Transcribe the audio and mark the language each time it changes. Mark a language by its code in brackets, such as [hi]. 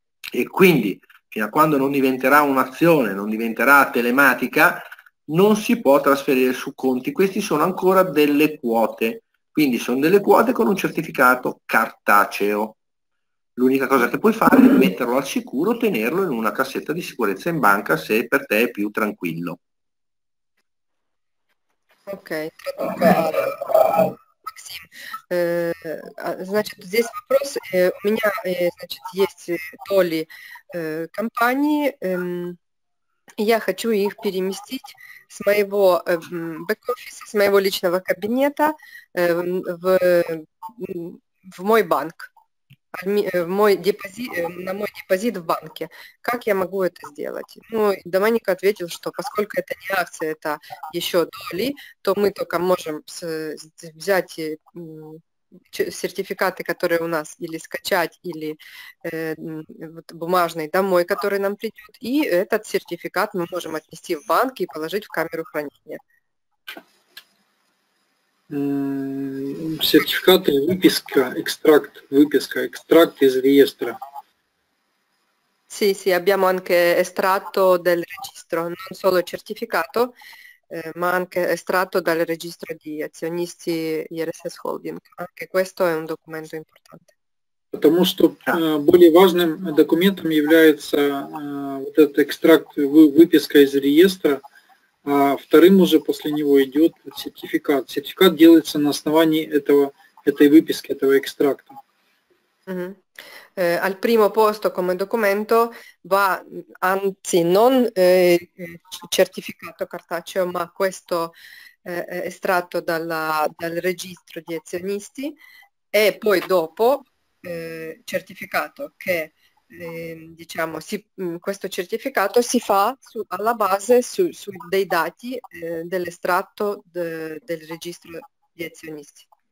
[it] E quindi, fino a quando non diventerà un'azione, non diventerà telematica, non si può trasferire su conti. Questi sono ancora delle quote. Quindi sono delle quote con un certificato cartaceo. L'unica cosa che puoi fare è metterlo al sicuro, tenerlo in una cassetta di sicurezza in banca, se per te è più tranquillo. Ok. [ru] Максим, значит, здесь вопрос, у меня, значит, есть доли компании, я хочу их переместить с моего бэк-офиса, с моего личного кабинета в мой банк, на мой депозит в банке. Как я могу это сделать? Ну, Доминик ответил, что поскольку это не акция, это еще доли, то мы только можем взять сертификаты, которые у нас, или скачать, или вот бумажный домой, который нам придет, и этот сертификат мы можем отнести в банк и положить в камеру хранения. Сертификаты, экстракт из реестра. [it] Sì, sì, abbiamo anche estratto del registro, non solo certificato, ma anche estratto dal registro di azionisti ISS Holding. Anche questo è un documento importante. [ru] Потому что более важным документом является вот этот экстракт, выписка из реестра. А вторым уже после него идет сертификат. Сертификат делается на основании этой выписки, этого экстракта. [it] Al primo posto come documento va, anzi, non certificato cartaceo, ma questo estratto dal registro di azionisti, e poi dopo certificato che diciamo, questo certificato si fa alla base su dei dati dell'estratto del registro degli azionisti.